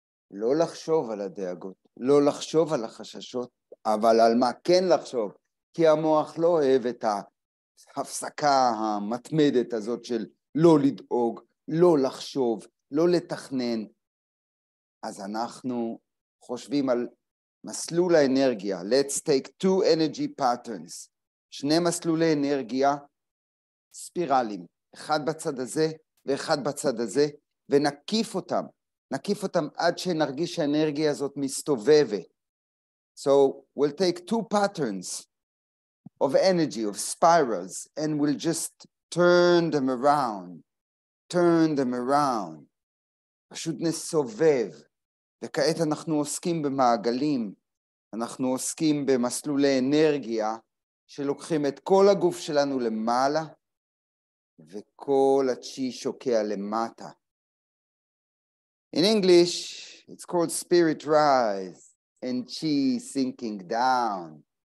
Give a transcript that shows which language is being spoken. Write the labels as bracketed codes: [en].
[he] לא לחשוב על הדאגות, לא לחשוב על החששות, אבל על מה כן לחשוב? כי המוח לא אוהב את ההפסקה המתמדת הזאת של לא לדאוג, לא לחשוב, לא לתכנן. אז אנחנו חושבים על מסלול האנרגיה. [en] Let's take two energy patterns. [he] שני מסלולי אנרגיה ספירליים, אחד בצד הזה ואחד בצד הזה, ונקיף אותם, נקיף אותם עד שנרגיש שהאנרגיה הזאת מסתובבת. [en] So we'll take two patterns of energy, of spirals, and we'll just turn them around, turn them around. [he] פשוט נסובב, וכעת אנחנו עוסקים במעגלים, אנחנו עוסקים במסלולי אנרגיה, שלוקחים את כל הגוף שלנו למעלה, וכל הצ'י שוקע למטה. [en] In English, it's called spirit rise, and chi sinking down.